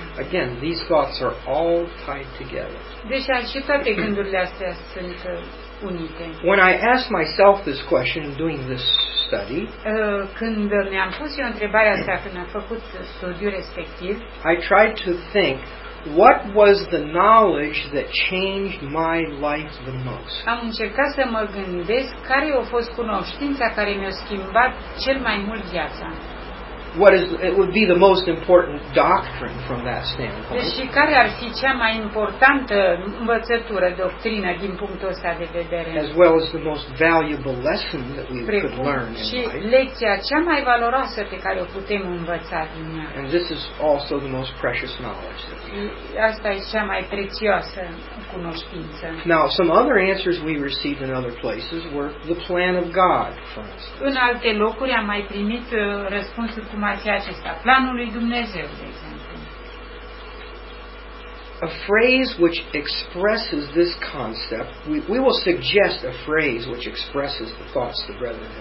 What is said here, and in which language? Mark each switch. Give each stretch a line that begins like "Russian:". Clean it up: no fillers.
English: Again, these thoughts are all tied together.
Romanian: Deci și toate gândurile astea sunt unite.
English: When I ask myself this question doing this study,
Romanian: când mi-am pus eu întrebarea asta când am făcut studiul respectiv,
English: I tried to think what was the knowledge that changed my life the most.
Romanian: Am încercat să mă gândesc care a fost cunoștința care mi-a schimbat cel mai mult viața.
English: What is it would be the most important doctrine from that standpoint?
Romanian: Deci care ar fi cea mai importantă învățătură, doctrină din punctul ăsta de vedere?
English: As well as the most valuable lesson that we could learn in life.
Romanian: Și lecția cea mai valoroasă pe care o putem învăța din ea.
English: And this is also the most precious knowledge.
Romanian: Asta e cea mai prețioasă cunoștință.
English: Now, some other answers we received in other places were the plan of God, for instance.
Romanian: În alte locuri am mai primit răspunsuri cum ar fi acesta, planul lui Dumnezeu, de exemplu.
English: A phrase which expresses this concept, we will suggest a phrase which expresses the thoughts of the brethren.